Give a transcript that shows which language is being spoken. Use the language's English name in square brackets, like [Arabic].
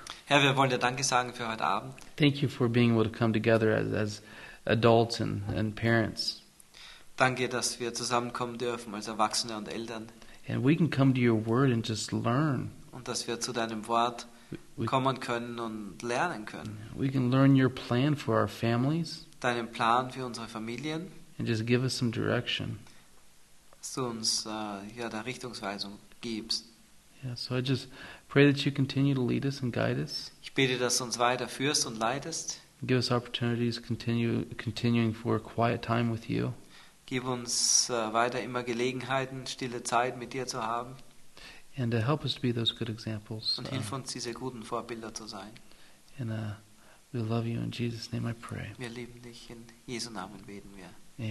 [German] Herr, wir wollen dir Danke sagen für heute Abend. [English] Thank you for being able to come together as adults and parents. [German] Danke, dass wir zusammenkommen dürfen als Erwachsene und Eltern. [English] And we can come to your word and just learn. [German] Und dass wir zu deinem Wort kommen können und lernen können. [English] We can learn your plan for our families. [German] Deinen Plan für unsere Familien. [English] And just give us some direction. [German] Dass du uns da Richtungsweisung gibst. [English] Yeah, so I just pray that you continue to lead us and guide us. [German] Ich bete, dass du uns weiter führst und leitest. [English] Give us opportunities continuing for a quiet time with you. [German] Gib uns weiter immer Gelegenheiten, stille Zeit mit dir zu haben. [English] And help us to be those good examples. [German] Und hilf uns, diese guten Vorbilder zu sein. [English] And we love you in Jesus' name I pray. [German] Wir lieben dich, in Jesu Namen beten wir.